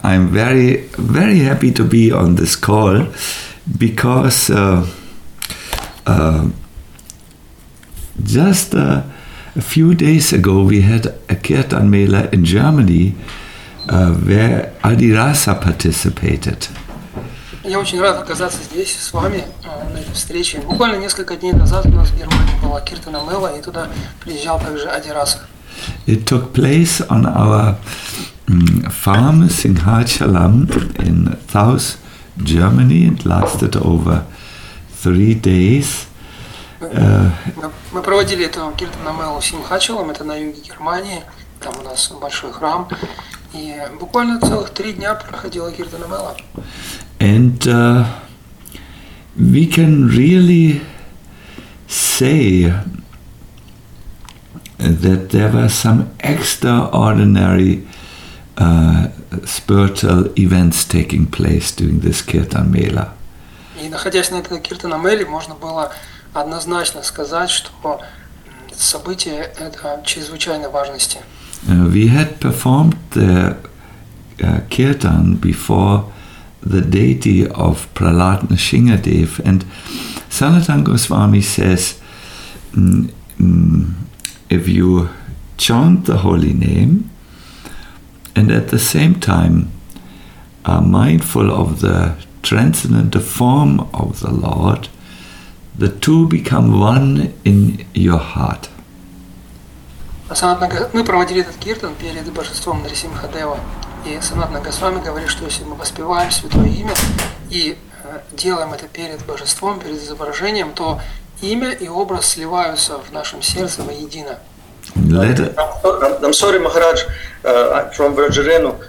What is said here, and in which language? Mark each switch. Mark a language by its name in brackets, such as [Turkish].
[English] I'm very, very happy to be on this call because just a few days ago we had a Kirtan Mela in Germany where Adirasa participated. [Russian] Я очень рад оказаться здесь с вами на этой встрече. Буквально несколько дней назад у нас в Германии была Киртана Мела, и туда приезжал также Адираса. [English] It took place on our farm Singhachalam in South Germany and lasted over 3 days. [Russian] Мы проводили эту Киртана Мелу в Сингхачалам, это на юге Германии, там у нас большой храм, и буквально целых 3 дня проходила Киртана Мела. [English] And we can really say that there were some extraordinary spiritual events taking place during this Kirtan Mela. [Russian] И находясь на этой Киртана Меле, можно было однозначно сказать, что событие это чрезвычайной важности. [English] We had performed the Kirtan before the deity of Prahlad Nrsingadev, and Sanatana Goswami says, if you chant the holy name and at the same time are mindful of the transcendental form of the Lord, the two become one in your heart. [Russian] Мы проводили этот киртан перед божеством Нрсимхадева. И Санатана Госвами говорит, что если мы воспеваем Святое Имя и делаем это перед Божеством, перед изображением, то имя и образ сливаются в нашем сердце воедино. [English] I'm sorry, Maharaj, from Vrajarenu.